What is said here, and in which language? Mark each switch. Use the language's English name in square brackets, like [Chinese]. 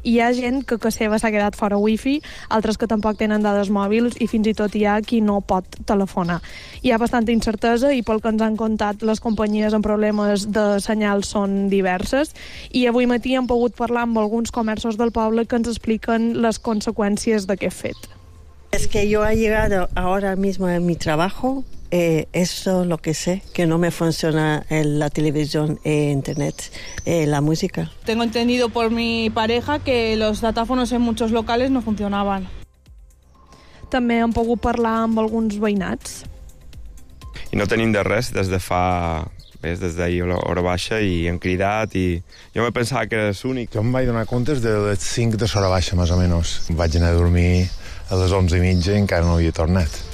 [Catalan] Hi ha gent que a casa seva s'ha quedat fora wifi, altres que tampoc tenen dades mòbils i fins i tot hi ha qui no pot telefonar. Hi ha bastanta incertesa i pel que ens han contat les companyies amb problemes de senyal són diverses i avui matí hem pogut parlar amb alguns comerços del poble que ens expliquen les conseqüències d'aquest fet. [Spanish] Es que yo he llegado ahora mismo a mi trabajo, eso es lo que sé, que no me funciona la televisión e internet, la música. Tengo entendido por mi pareja que los datáfonos en muchos locales no funcionaban. [Catalan] També hem pogut parlar amb alguns veïnats. I no tenim de res des de fa és des d'ahir a l'hora baixa i han cridat i jo me pensava que eres únic. Jo em vaig donar compte de les 5 de l'hora baixa, més o menys. Vaig anar a dormir a les 11:30 i encara no havia tornat.